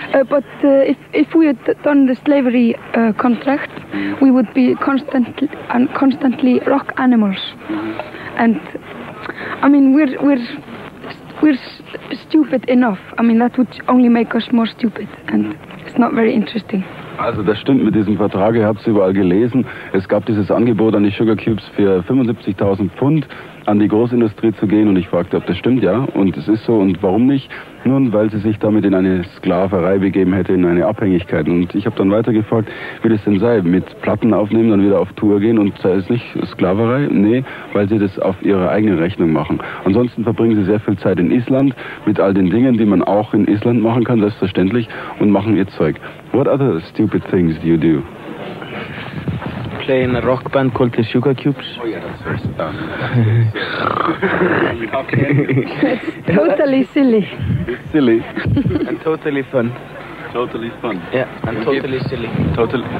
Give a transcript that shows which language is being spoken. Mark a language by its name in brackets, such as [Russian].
[English] But if we had done the slavery contract, mm-hmm. we would be constantly rock animals. Mm-hmm. And I mean, we're stupid enough. I mean, that would only make us more stupid, and it's not very interesting. [German] Also das stimmt mit diesem Vertrag, ihr habt es überall gelesen. Es gab dieses Angebot an die Sugar Cubes für 75.000 Pfund an die Großindustrie zu gehen und ich fragte, ob das stimmt, ja, und es ist so und warum nicht? Nun, weil sie sich damit in eine Sklaverei begeben hätte, in eine Abhängigkeit und ich habe dann weitergefragt, wie das denn sei, mit Platten aufnehmen, dann wieder auf Tour gehen und sei es nicht Sklaverei? Nee, weil sie das auf ihre eigene Rechnung machen. Ansonsten verbringen sie sehr viel Zeit in Island mit all den Dingen, die man auch in Island machen kann, selbstverständlich, und machen ihr Zeug. [English] What other stupid things do you do? Play in a rock band called the Sugar Cubes. Oh yeah, that's very it's totally silly. It's silly. And totally fun. Totally fun. Yeah, and totally silly. Totally.